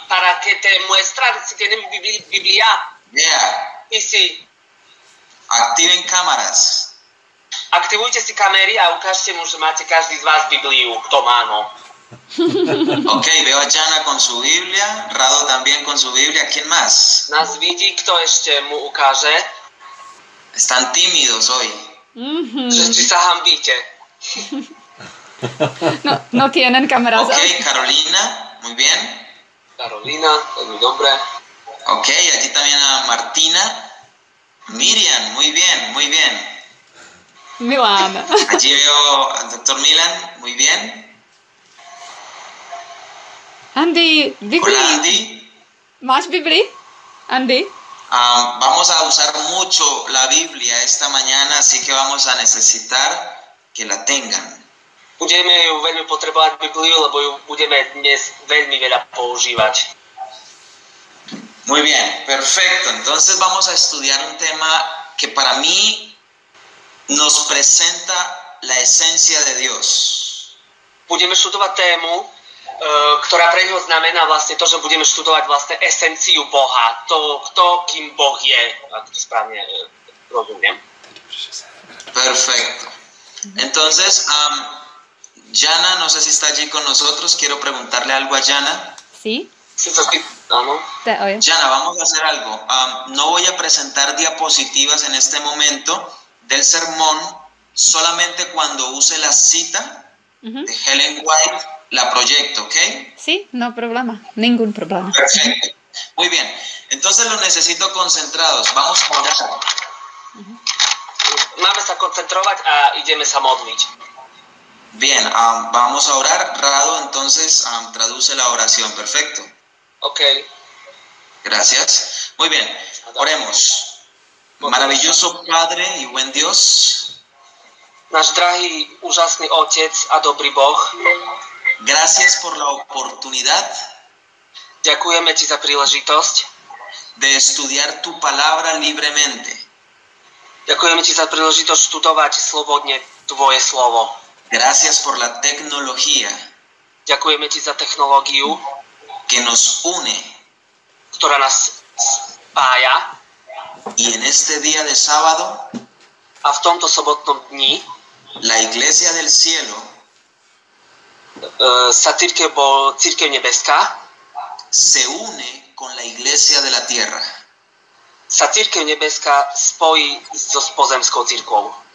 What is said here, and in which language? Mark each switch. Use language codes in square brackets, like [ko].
[es] Para que te muestran, si tienen Biblia. Yeah. Y si. Activen cámaras. [sk] Aktivujte si kamery a ukážte mu, že máte každý z vás Bibliu. Kto má, no. [es] Ok, veo a Jana con su Biblia. Rado también con su Biblia. ¿Quién más? [sk] Nás vidí, kto ešte mu ukáže. [es] Están tímidos hoy. [sk] Mm-hmm. Že si sa hambíte. [es] No tienen kamera. Ok, Carolina, muy bien. Carolina, es mi nombre. Ok, allí también a Martina. Miriam, muy bien, muy bien. Milan. Allí veo al doctor Milan, muy bien. Andy, Biblia. Hola, Andy. ¿Más Biblia? Andy. Vamos a usar mucho la Biblia esta mañana, así que vamos a necesitar que la tengan. [sk] Budeme ju veľmi potrebovať Bibliu, lebo ju budeme dnes veľmi veľa používať. [es] Muy bien, perfecto. Entonces vamos a estudiar un tema que para mí nos presenta la esencia de Dios. [sk] Budeme študovať tému, ktorá pre neho znamená vlastne to, že budeme študovať vlastne esenciu Boha. To, kto, kým Boh je. Ak to správne rozumiem. [es] Perfecto. Entonces, Jana, no sé si está allí con nosotros. Quiero preguntarle algo a Jana. Sí. Sí, Jana, vamos a hacer algo. No voy a presentar diapositivas en este momento del sermón, solamente cuando use la cita de Helen White, la proyecto, ¿ok? Sí, no problema, ningún problema. Perfecto, muy bien. Entonces lo necesito concentrados, vamos a orar. Vamos a concentrar y vamos a modlić. Bien, vamos a orar. Rado, entonces traduce la oración, perfecto. Ok. Gracias. Muy bien, oremos. Maravilloso Padre y buen Dios. [sk] Náš drahý, úžasný Otec a dobrý Boh. [es] Gracias por la oportunidad. [sk] Ďakujeme ti za príležitosť. [es] De estudiar tu palabra libremente. [sk] Ďakujeme ti za príležitosť študovať slobodne tvoje slovo. [es] Gracias por la tecnología. [sk] Ďakujeme ti za technológiu. [es] Que nos une, [sk] ktorá nás spája, [es] y en este día de sábado, [sk] a v tomto sobotnom dni, [es] la iglesia del cielo, [sk] sa církev nebeská, [es] se une con la iglesia de la tierra, [sk] sa církev nebeská spojí so pozemskou církvou.